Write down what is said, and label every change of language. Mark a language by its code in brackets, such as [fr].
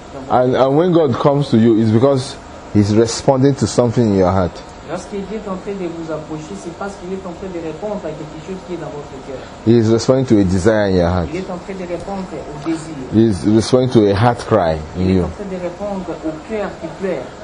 [en] And when God comes to you, it's because he's responding to something in your heart. [fr] Lorsqu'il est en train de vous approcher, c'est parce qu'il est en train de répondre à quelque chose qui est dans votre cœur. [en] He is responding to a desire in your heart. [fr] Il est en train de répondre au désir. [en] He is responding to a heart cry in you. [fr] Il est en train de répondre au cœur qui pleure.